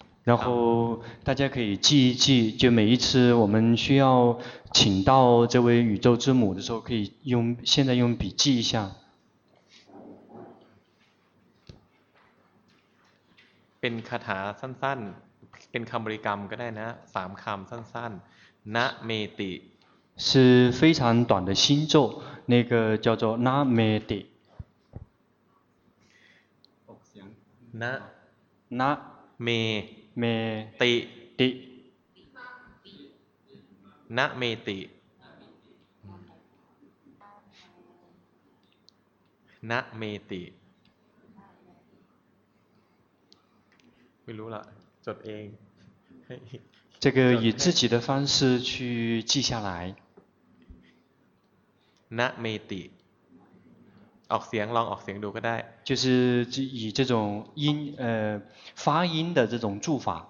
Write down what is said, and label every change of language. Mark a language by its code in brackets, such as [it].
[zh] 然后大家可以记一记，就每一次我们需要请到这位宇宙之母的时候，可以用现在用笔记一下。 [th] เป็นคาถาสั้นๆเป็นคำบริกรรมก็ได้นะสามคำสั้นๆนะเมติ [zh] 是非常短的心咒，那个叫做นะเมติ 那 เมเม ติ ติน [th] ะเมตินะเมติไม่รู้ละจดเอง [zh] 这个以自己的方式去记下来 [th] นะเมติออกเสียงลองออกเสียงดูก็ได้ [zh] 就是以这种音发音的这种注法